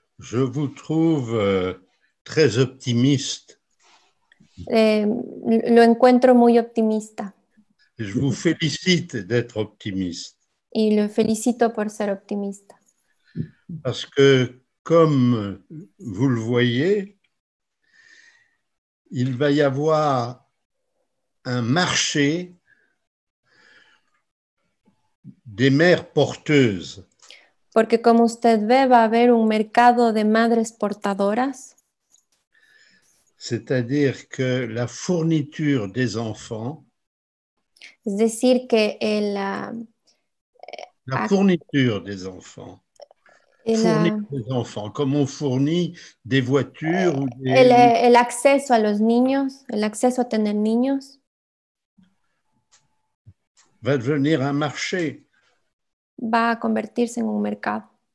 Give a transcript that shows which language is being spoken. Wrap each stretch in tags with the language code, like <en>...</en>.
<fr>Je vous trouve très optimiste.</fr> <es>Lo encuentro muy optimista.</es> <fr>Je vous félicite d'être optimiste.</fr> <es>Y lo felicito por ser optimista.</es> <fr>Parce que comme vous le voyez, il va y avoir un marché des mères porteuses.</fr> <es>Porque como usted ve, va a haber un mercado de madres portadoras.</es> <fr>C'est-à-dire que la fourniture des enfants.</fr> <es>Es decir, que</es> <fr>la fourniture des enfants. Fournir des enfants, comme on fournit des voitures ou des.</fr> <es>El acceso a los niños, el acceso a tener niños.</es> <fr>Va devenir un marché.</fr> <es>Va a convertirse en un mercado.</es>